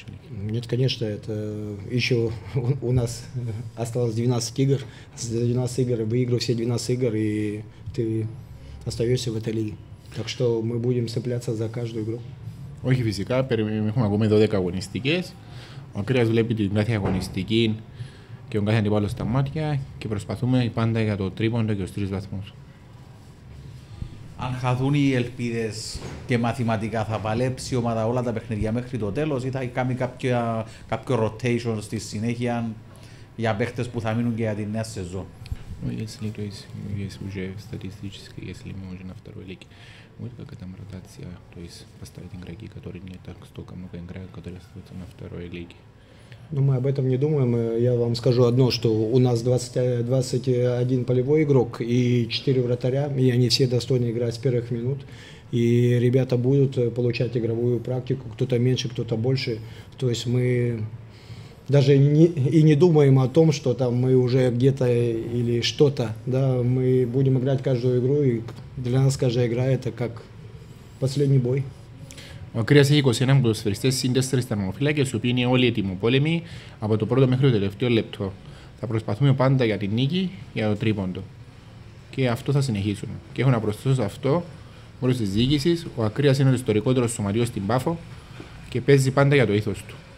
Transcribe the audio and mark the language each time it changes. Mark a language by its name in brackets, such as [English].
[Russian] Нет, конечно, это еще у нас осталось 12 игр. За 12 игр выиграю все 12 игр, и ты остаешься в этой лиге. Так что мы будем цепляться за каждую игру. [Greek] Όχι, φυσικά, έχουμε ακόμη 12 αγωνιστικές. Ο Κρέας βλέπει την κάθε αγωνιστική και τον κάθε αντιπάλο στα μάτια και προσπαθούμε πάντα για το τρίποντο και τους τρεις βαθμούς. Αν χαθούν οι ελπίδες και μαθηματικά θα παλέψει η ομάδα όλα τα παιχνίδια μέχρι το τέλος ή θα κάνει κάποιο rotation στη συνέχεια για παίχτες που θα μείνουν και για τη νέα σεζόν. [Russian] Если то есть есть уже статистически, если мы уже на второй лиге, вот как это ротация, то есть поставить игроки, которые не так столько много играют, которые остаются на второй лиге. Но мы об этом не думаем. Я вам скажу одно, что у нас 21 полевой игрок и 4 вратаря, и они все достойны играть с первых минут. И ребята будут получать игровую практику, кто-то меньше, кто-то больше. То есть мы даже не думаем о том, что там мы уже где-то или что-то. Да, мы будем играть каждую игру, и для нас каждая игра – это как последний бой. [Greek] Ο Κρέας έχει 21 ποδοσφαιριστές συν 4 θερμοφύλακες, οι οποίοι είναι όλοι ετοιμοπόλεμοι από το πρώτο μέχρι το τελευταίο λεπτό. Θα προσπαθούμε πάντα για την νίκη, για το τρίποντο. Και αυτό θα συνεχίσουμε. Και έχω να προσθέσω σε αυτό, μέρος της διοίκησης, ο Ακρίας είναι ο ιστορικότερος σωματείος στην Πάφο και παίζει πάντα για το ήθος του.